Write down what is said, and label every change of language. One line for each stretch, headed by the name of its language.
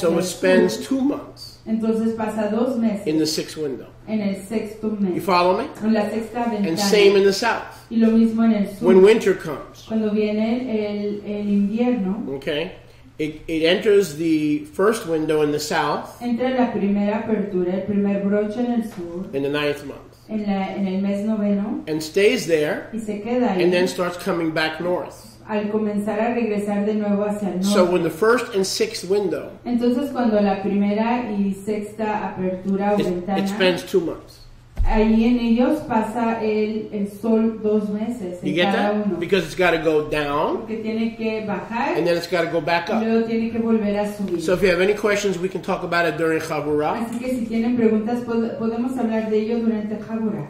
English: so it spends sur. 2 months.
Spanish: Entonces pasa dos meses.
English: In the sixth window.
Spanish: En el sexto mes.
English: You follow me?
Spanish: En la sexta ventana.
English: And same in the south.
Spanish: Y lo mismo en el sur.
English: When winter comes.
Spanish: Cuando viene el invierno.
English: Okay. It enters the first window in the south.
Spanish: Entra la primera apertura, el primer broche en el sur.
English: In the ninth month.
Spanish: En el mes noveno,
English: and stays there,
Spanish: y se queda ahí,
English: and then starts coming back north.
Spanish: Al comenzar a regresar de nuevo hacia el norte.
English: So when the first and sixth window,
Spanish: entonces cuando la primera y sexta apertura o ventana,
English: it spends 2 months.
Spanish: Ahí en ellos pasa el sol dos meses.
English: You get
Spanish: cada
English: that?
Spanish: Uno.
English: Because it's got to go down.
Spanish: Porque tiene que bajar.
English: And then it's got to go back up.
Spanish: Y luego tiene que volver a subir.
English: So if you have any questions, we can talk about it during Chaburah.
Spanish: Así que si tienen preguntas, podemos hablar de ello durante Chaburah.